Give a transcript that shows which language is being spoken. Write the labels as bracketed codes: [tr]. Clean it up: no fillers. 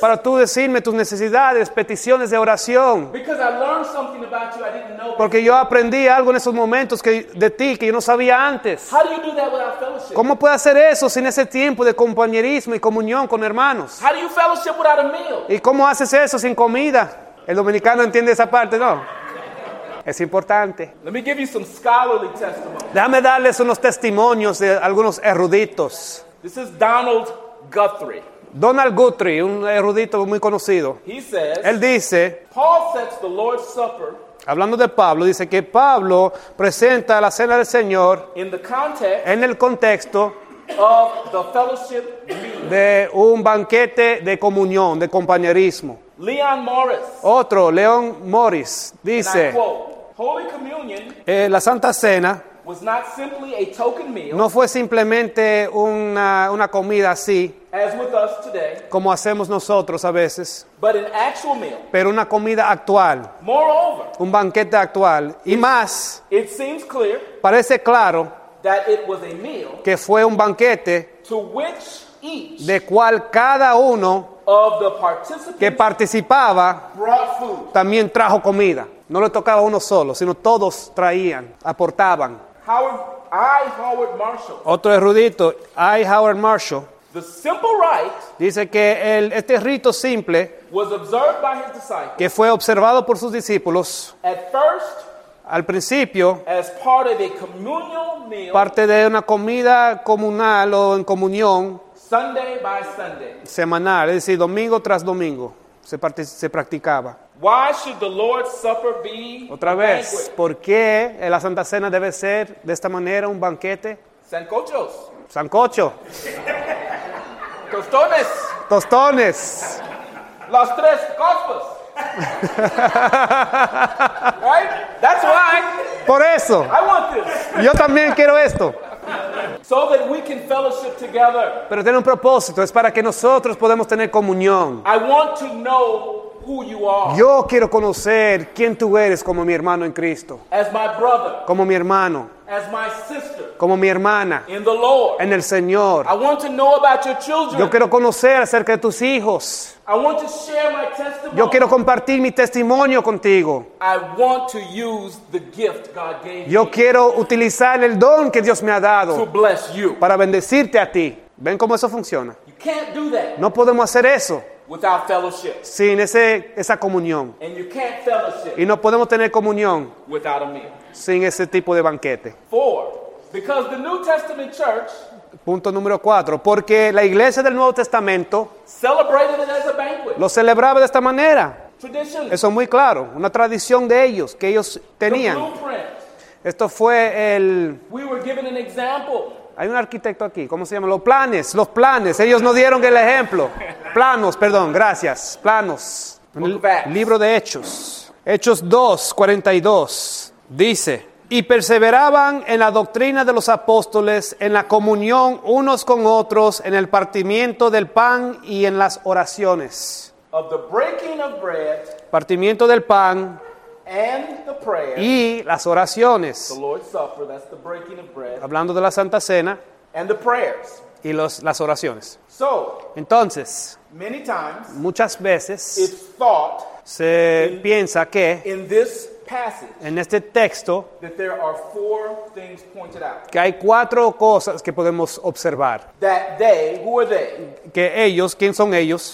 [es] Para tú decirme tus necesidades, peticiones de oración. [en] Because I learned something about you I didn't know. [es] Porque yo aprendí algo en esos momentos de ti que yo no sabía antes. [en] How do you do that without fellowship? [es] ¿Cómo puedo hacer eso sin ese tiempo de compañerismo y comunión con hermanos? [en] How do you fellowship without a meal? [es] ¿Y cómo haces eso sin comida? El dominicano entiende esa parte, ¿no? Es importante. [en] Let me give you some scholarly testimony. [es] Déjame darles unos testimonios de algunos eruditos. [en] This is Donald Guthrie. [es] Donald Guthrie, un erudito muy conocido. [en] He says, [es] él dice, [en] Paul sets the Lord's Supper. [es] Hablando de Pablo, dice que Pablo presenta la cena del Señor [en] in the context, [es] en el contexto [en] of the fellowship [es] de un banquete de comunión, de compañerismo. [en] Leon Morris. [es] Otro, Leon Morris, dice, [en] and I quote, Holy Communion, [es] la Santa Cena [en] was not simply a token meal, [es] no fue simplemente una comida así, [en] as with us today, [es] como hacemos nosotros a veces, [en] but an actual meal. [es] Pero una comida actual. [en] Moreover, [es] un banquete actual. Y más, [en] it seems clear, [es] parece claro [en] that it was a meal, [es] que fue un banquete [en] to which each, [es] de cual cada uno [en] of the participants [es] que participaba [en] brought food. [es] También trajo comida. No le tocaba a uno solo, sino todos traían, aportaban. [en] Howard Marshall. [es] Otro erudito, I. Howard Marshall. [en] The simple rite [es] dice que este rito simple [en] was observed by his disciples, [es] que fue observado por sus discípulos [en] at first, [es] al principio [en] as part of a communal meal, [es] parte de una comida comunal o en comunión [en] Sunday by Sunday. [es] Semanal, es decir, domingo tras domingo se practicaba. [en] Why should the Lord's Supper be [es] otra vez, ¿por qué la Santa Cena debe ser de esta manera un banquete? Sancochos. Sancocho. Tostones. Tostones. Los tres cospos. [en] Right? That's why. [es] Por eso. [en] I want this. [es] Yo también quiero esto. [en] So that we can fellowship together. [es] Pero tiene un propósito, es para que nosotros podamos tener comunión. [en] I want to know who you are. [es] Yo quiero conocer quién tú eres como mi hermano en Cristo. [en] As my brother. [es] Como mi hermano. [en] As my sister. [es] Como mi hermana. [en] In the Lord. [es] En el Señor. [en] I want to know about your children. [es] Yo quiero conocer acerca de tus hijos. [en] I want to share my testimony. [es] Yo quiero compartir mi testimonio contigo. [en] I want to use the gift God gave [es] Yo quiero utilizar el don que Dios me ha dado [en] to bless you. [es] Para bendecirte a ti. ¿Ven cómo eso funciona? [en] You can't do that. [es] No podemos hacer eso. [en] Without fellowship. [es] Sin esa comunión. [en] And you can't fellowship. [es] Y no podemos tener comunión. [en] Without a meal. [es] Sin ese tipo de banquete. [en] Four. Because the New Testament church. [es] Punto número cuatro. Porque la iglesia del Nuevo Testamento. [en] Celebrated it as a banquet. [es] Lo celebraba de esta manera. [en] Tradition. [es] Eso es muy claro. Una tradición de ellos. Que ellos tenían. [en] The blueprint. [es] Esto fue el. [en] We were given an example. [es] Hay un arquitecto aquí, ¿cómo se llama? Los planes. Ellos nos dieron el ejemplo. Planos, perdón, gracias. Planos. Libro de Hechos. Hechos 2, 42. Dice, y perseveraban en la doctrina de los apóstoles, en la comunión unos con otros, en el partimiento del pan y en las oraciones. [en] Of the breaking of bread. [es] Partimiento del pan. [en] And the prayer, [es] y las oraciones. [en] The Lord's Supper, that's the breaking of bread, [es] hablando de la Santa Cena. [en] And the prayers. [es] Y las oraciones. [en] So, [es] entonces, [en] many times, [es] muchas veces [en] it's thought [es] se piensa que [en] in this passage, [es] en este texto [en] that there are four things pointed out, [es] que hay cuatro cosas que podemos observar. [en] That they, who are they? [es] Que ellos, ¿quién son ellos?